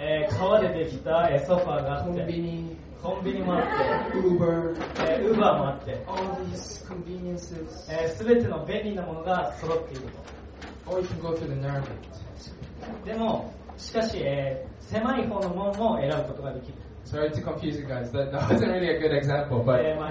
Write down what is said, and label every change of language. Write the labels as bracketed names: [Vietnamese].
[Japanese] 革でできたソファーがあって、コンビニもあって、 [English] Uber. [Japanese] Uber もあって、 [English] All these conveniences. [Japanese] 全ての便利なものが揃っていると。 [English] Or you can go through the narrow gate. [Japanese] でも、しかし、狭い方の門も選ぶことができる。 [English] Sorry to confuse you guys. That wasn't really a good example, but.